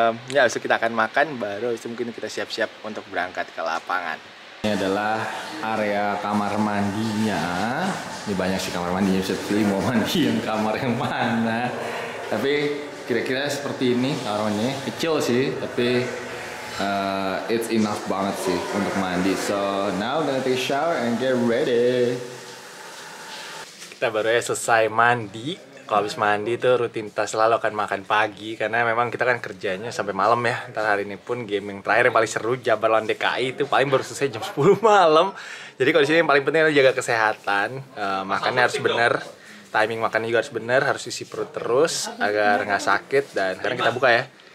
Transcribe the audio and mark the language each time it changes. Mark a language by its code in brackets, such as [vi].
[id] Ya abis itu kita akan makan, baru itu mungkin kita siap-siap untuk berangkat ke lapangan. Ini adalah area kamar mandinya. Ini banyak sih kamar mandinya, bisa pilih mau mandi yang kamar yang mana. Tapi kira-kira seperti ini kamarnya. Kecil sih, tapi [en] it's enough [id] banget sih untuk mandi. [en] So now I'm gonna take a shower and get ready. [id] Kita baru aja selesai mandi. Kalau habis mandi tuh rutinitas selalu akan makan pagi, karena memang kita kan kerjanya sampai malam ya. Ntar hari ini pun gaming terakhir yang paling seru Jabar lawan DKI itu paling baru selesai jam 10 malam. Jadi kalau di sini yang paling penting adalah jaga kesehatan, makannya harus benar, timing makannya juga harus benar, harus isi perut terus agar nggak sakit. Dan sekarang kita buka ya.